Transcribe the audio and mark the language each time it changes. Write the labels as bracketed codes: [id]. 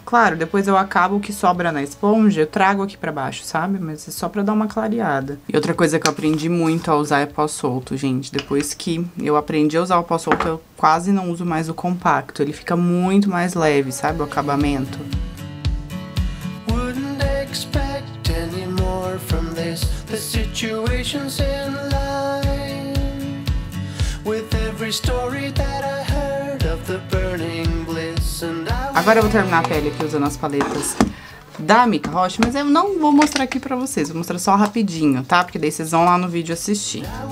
[pt] Claro, depois eu acabo o que sobra na esponja, eu trago aqui pra baixo, sabe? Mas é só pra dar uma clareada. E outra coisa que eu aprendi muito a usar é pó solto, gente. Depois que eu aprendi a usar o pó solto, eu quase não uso mais o compacto. Ele fica muito mais leve, sabe? O acabamento. [en] Wouldn't expect any more from this. The situation's in line with every story that I heard of the burning bliss. [pt] And agora eu vou terminar a pele aqui usando as paletas da Mika Rocha, mas eu não vou mostrar aqui pra vocês, vou mostrar só rapidinho, tá? Porque daí vocês vão lá no vídeo assistir.